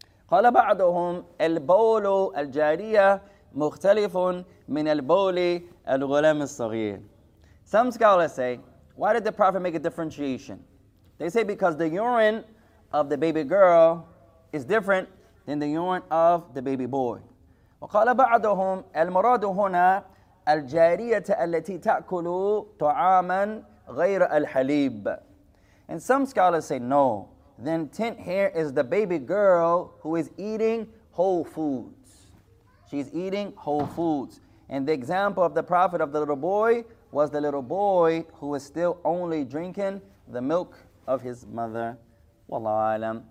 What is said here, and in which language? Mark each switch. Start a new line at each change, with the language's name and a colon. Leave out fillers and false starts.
Arabic: قَالَ بَعْدُهُمْ الْبَوْلُ الْجَارِيَةِ مُخْتَلِفٌ مِنَ الْبَوْلِ الْغُلَامِ الصَّغِيرِ.
English: Some scholars say, why did the Prophet make a differentiation? They say because the urine of the baby girl is different than the urine of the baby boy.
Arabic: وقال بعضهم المراد هنا الجارية التي تأكل طعاما غير الحليب.
English: And some scholars say no. The intent here is the baby girl who is eating whole foods. She's eating whole foods. And the example of the prophet of the little boy was the little boy who is still only drinking the milk of his mother. Wallahu alam.